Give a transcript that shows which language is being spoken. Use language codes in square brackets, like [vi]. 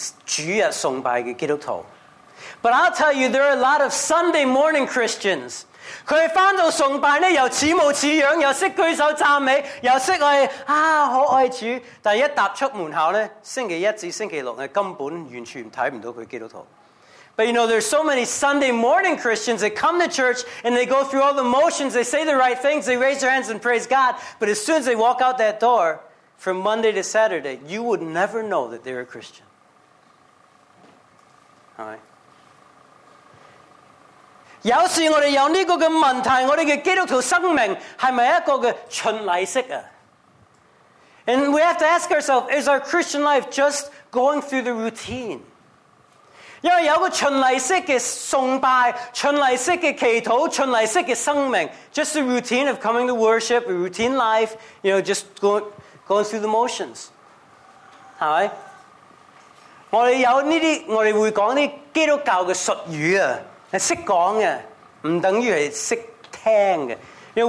[yue] 但我告诉你,有很多是叫主日崇拜的基督徒。 [en] But I'll tell you, there are a lot of Sunday morning Christians. [yue] 他们回到崇拜,又似模似样,又懂举手赞美,又懂,啊,好爱主。但一踏出门口,星期一至星期六,根本完全看不到他基督徒。 [en] But you know, there's so many Sunday morning Christians that come to church and they go through all the motions, they say the right things, they raise their hands and praise God, but as soon as they walk out that door, from Monday to Saturday, you would never know that they're a Christian. Alright. And we have to ask ourselves, is our Christian life just going through the routine? [yue] 因为有个循例式的崇拜,循例式的祈祷,循例式的生命, [en] just the routine of coming to worship, a routine life, you know, just going through the motions. You know,